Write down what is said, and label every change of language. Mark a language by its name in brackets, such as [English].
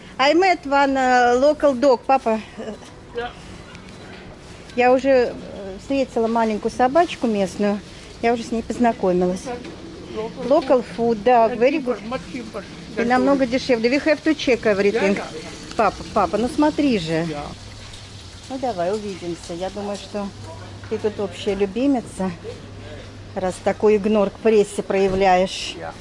[English] I met one local dog, папа. Yeah. [Russian] Я уже встретила маленькую собачку местную. Я уже с ней познакомилась. [English] Local food, [Russian] да, [English] very good. [Russian] И намного дешевле. [English] We have to check everything. [Russian] Папа, папа, ну смотри же. Ну давай, увидимся. Я думаю, что ты тут общая любимица, раз такой игнор к прессе проявляешь.